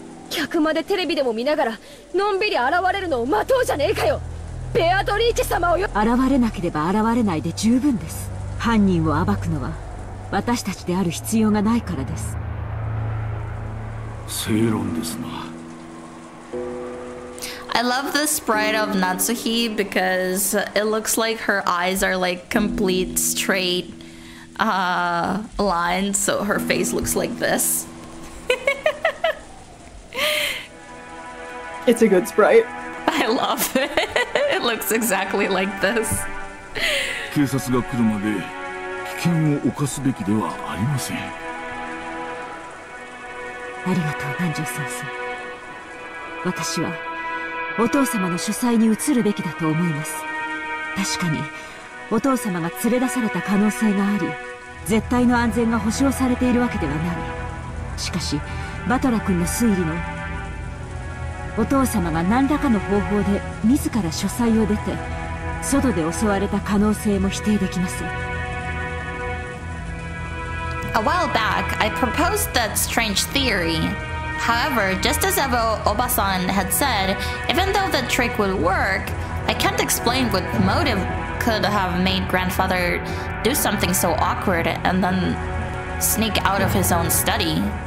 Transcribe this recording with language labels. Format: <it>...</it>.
<ja>客までテレビでも見ながらのんびり現れるのを待とうじゃねえかよ、ベアトリーチェ様をよ。現れなければ現れないで十分です。犯人を暴くのは私たちである必要がないからです。正論ですな。</ja> <en>I love the sprite of Natsuhi because it looks like her eyes are like complete straight lines, so her face looks like this. It's a good sprite. I love it. It looks exactly like this.</en> <ja>警察が来るまで危険を冒すべきではありません。ありがとう、南條先生。私はお父様の書斎に移るべきだと思います。確かにお父様が連れ出された可能性があり、絶対の安全が保証されているわけではない。しかしバトラ君の推理のお父様が何らかの方法で自ら書斎を出て外で襲われた可能性も否定できません。</ja> <en>A while back, I proposed that strange theory. However, just as Oba-san had said, even though the trick would work, I can't explain what motive could have made grandfather do something so awkward and then sneak out of his own study.</en>